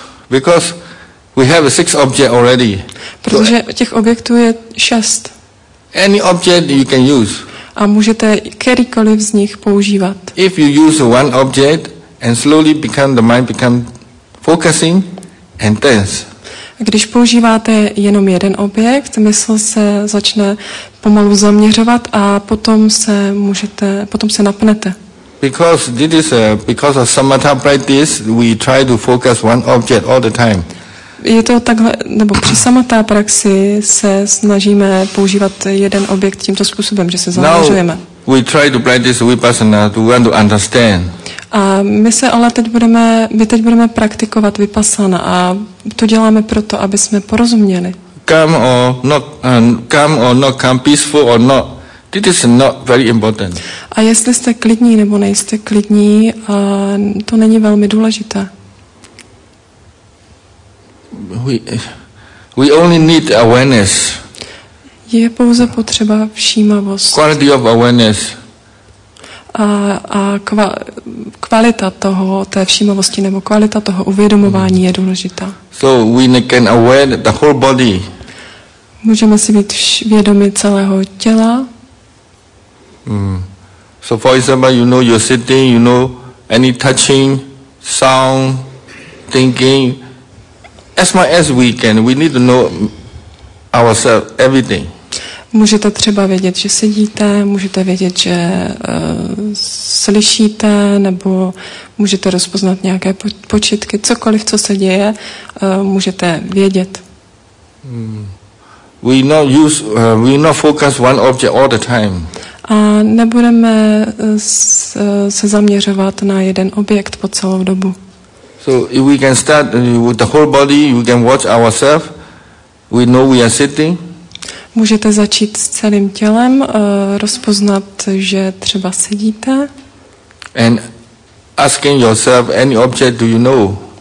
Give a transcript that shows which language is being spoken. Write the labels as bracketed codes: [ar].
[en] Because we have six objects already. [cs] Protože těch objektů je šest. [en] Any object you can use. [cs] A můžete kterýkoliv z nich používat. [en] If you use one object and slowly become the mind become focusing and tense. [cs] Když používáte jenom jeden objekt, mysl se začne pomalu zaměřovat a potom se napnete. [en] Because this is because of samatha practice, we try to focus one object all the time. [cs] Je to takhle, nebo při samatha praxi se snažíme používat jeden objekt tímto způsobem, že se zaměřujeme. [en] Now we try to practice vipassana to want to understand. [cs] A my teď budeme praktikovat vipassana a to děláme proto, aby jsme porozuměli. [en] Come or not come, peaceful or not. This is not very important. [cs] A jestli jste klidní nebo nejste klidní, to není velmi důležité. [en] We only need awareness. [cs] Je pouze potřeba všímavost. [en] Quality of awareness. [cs] A kvalita toho, té všímavosti nebo kvalita toho uvědomování je důležitá. [en] So we can aware the whole body. [cs] Můžeme si být vědomi celého těla. [en] So for example, you know you're sitting, you know any touching, sound, thinking, as much as we need to know ourselves, everything. [cs] Můžete třeba vědět, že sedíte, můžete vědět, že slyšíte, nebo můžete rozpoznat nějaké počitky, cokoliv, co se děje, můžete vědět. [en] We not focus one object all the time. [cs] A nebudeme se zaměřovat na jeden objekt po celou dobu. [en] So if we can start with the whole body, we can watch ourselves, we know we are sitting. [cs] Můžete začít s celým tělem, rozpoznat, že třeba sedíte. [en] And asking yourself, any object do you know?